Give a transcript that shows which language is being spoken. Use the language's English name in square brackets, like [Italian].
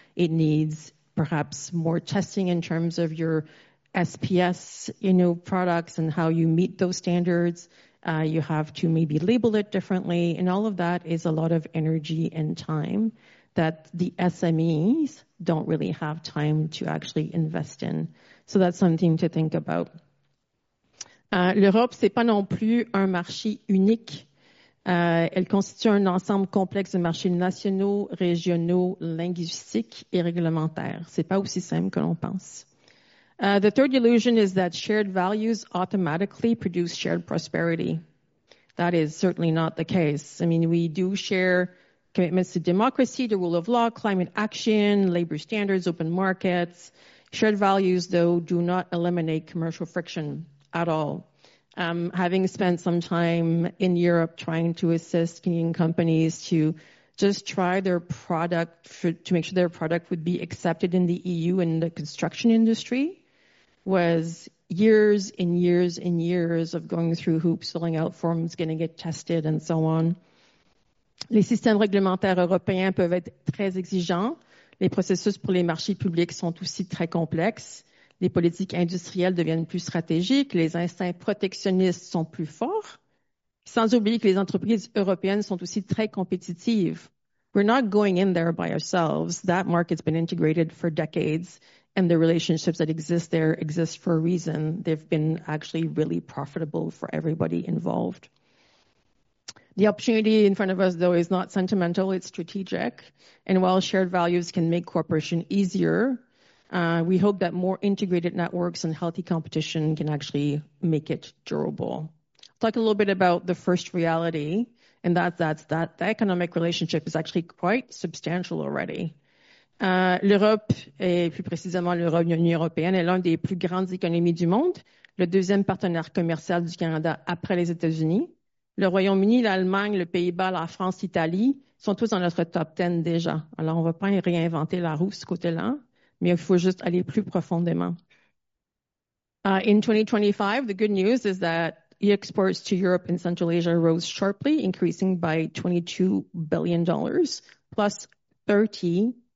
[English] It needs perhaps more testing in terms of your SPS, you know, products and how you meet those standards. You have to maybe label it differently. And all of that is a lot of energy and time that the SMEs don't really have time to actually invest in. So that's something to think about. [French] L'Europe, c'est pas non plus un marché unique. Elle constitue un ensemble complexe de marchés nationaux, régionaux, linguistiques et réglementaires. C'est pas aussi simple que l'on pense. [English] The third illusion is that shared values automatically produce shared prosperity. That is certainly not the case. I mean, we do share commitments to democracy, the rule of law, climate action, labor standards, open markets. Shared values, though, do not eliminate commercial friction at all. Having spent some time in Europe trying to assist Canadian companies to just try their product to make sure their product would be accepted in the EU and the construction industry, was years and years and years of going through hoops, filling out forms, getting it tested, and so on. [French] Les systèmes réglementaires européens peuvent être très exigeants. Les processus pour les marchés publics sont aussi très complexes. Les politiques industrielles deviennent plus stratégiques. Les instincts protectionnistes sont plus forts. Sans oublier que les entreprises européennes sont aussi très compétitives. [English] We're not going in there by ourselves. That market's been integrated for decades, and the relationships that exist there exist for a reason. They've been actually really profitable for everybody involved. The opportunity in front of us, though, is not sentimental, it's strategic. And while shared values can make cooperation easier, we hope that more integrated networks and healthy competition can actually make it durable. I'll talk a little bit about the first reality, and that's that the economic relationship is actually quite substantial already. [French] L'Europe, et plus précisément l'Union européenne, est l'une des plus grandes économies du monde, le deuxième partenaire commercial du Canada après les États-Unis. Le Royaume-Uni, l'Allemagne, le Pays-Bas, la France, l'Italie sont tous dans notre top 10 déjà. Alors, on ne va pas réinventer la roue ce côté-là, mais il faut juste aller plus profondément. [English] In 2025, the good news is that exports to Europe and Central Asia rose sharply, increasing by $22 billion, plus 30%.